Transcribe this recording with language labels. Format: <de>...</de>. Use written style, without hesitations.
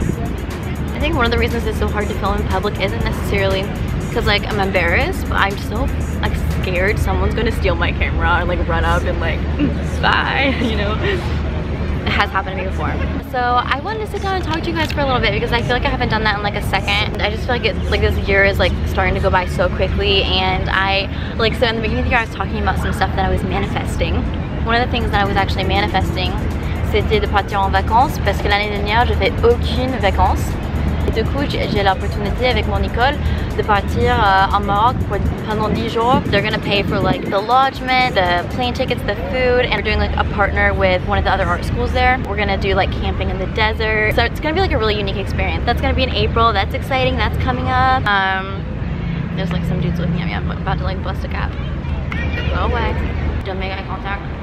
<en>I think one of the reasons it's so hard to film in public isn't necessarily because like I'm embarrassed, but I'm so like scared someone's gonna steal my camera and like run up and like spy, you know? Has happened to me before. So I wanted to sit down and talk to you guys for a little bit because I feel like I haven't done that in like a second. I just feel like it's like this year is like starting to go by so quickly. And I like, so in the beginning of the year I was talking about some stuff that I was manifesting. One of the things that I was actually manifesting</en> <fr>c'était de partir en vacances parce que l'année dernière je n'avais aucune vacances. Et du coup j'ai l'opportunité avec mon école de partir en Maroc pour pendant 10 jours.</fr> <en>They're gonna pay for like the lodgement, the plane tickets, the food, and we're doing like a partner with one of the other art schools there. We're gonna do like camping in the desert. So it's gonna be like a really unique experience. That's gonna be in April, that's exciting, that's coming up. There's like some dudes looking at me, I'm about to like bust a cap. Go away. Don't make eye contact.</en>